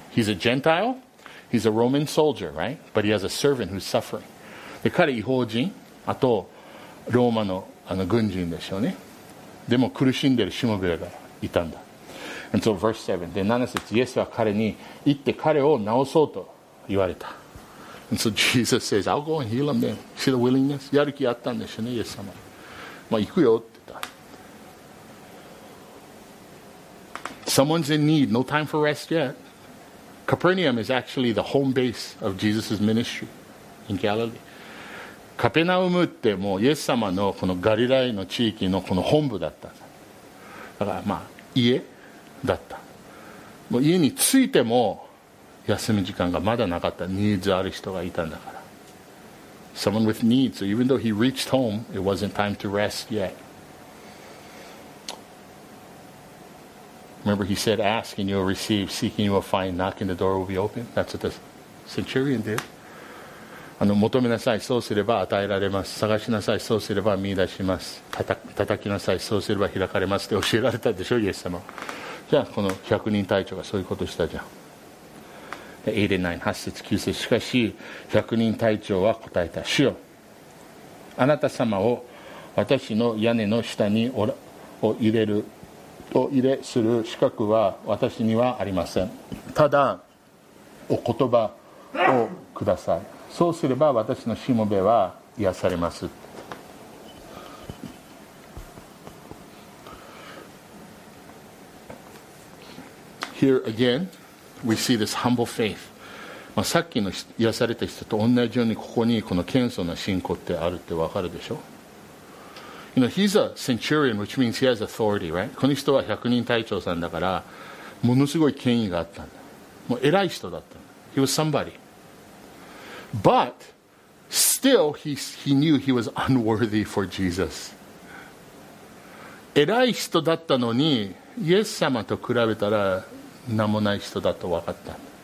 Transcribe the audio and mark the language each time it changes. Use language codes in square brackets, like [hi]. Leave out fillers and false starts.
[en] He's a Gentile. He's a Roman soldier, right? But he has a servant who's suffering. [ja] で、彼は異邦人、あとローマの、あの軍人でしょうね。でも苦しんでるしもべがいたんだ。 [en] And so verse 7. [ja] で、7節、イエスは彼に行って彼を治そうと言われた。 [en] And so Jesus says, I'll go and heal him then. See the willingness? [ja] やる気あったんでしょうね、イエス様。まあ行くよって言った。 [en] Someone's in need. No time for rest yet. Capernaum is actually the home base of Jesus' ministry in Galilee. [ja] カペナウムってもうイエス様のこのガリラヤの地域のこの本部だった。だからまあ家だった。もう家に着いても休み時間がまだなかった。ニーズある人がいたんだから。 [en] Someone with needs. So even though he reached home, it wasn't time to rest yet. Remember he said, ask and you will receive, seeking you will find, knocking the door will be open. That's what the centurion did. [ja] あの、求めなさい、そうすれば与えられます。探しなさい、そうすれば見出します。叩きなさい、そうすれば開かれますって教えられたでしょ、イエス様。じゃあこの百人隊長がそういうことしたじゃん。 8節9節、しかし百人隊長は答えた、主よ、あなた様を私の屋根の下にを入れるを入れする資格は私にはありません。ただお言葉をください。そうすれば私のしもべは癒されます。 [en] Here again, we see this humble faith. [ja] まあ、さっきの癒された人と同じようにここにこの謙遜な信仰ってあるってわかるでしょ。 [en] You know, he's a centurion, which means he has authority, right? [ja] この人は百人隊長さんだから、ものすごい権威があったんだ。もう偉い人だったんだ。 [en] He was somebody. But still, he knew he was unworthy for Jesus. [ja] 偉い人だったのに、イエス様と比べたら名もない人だと分かった。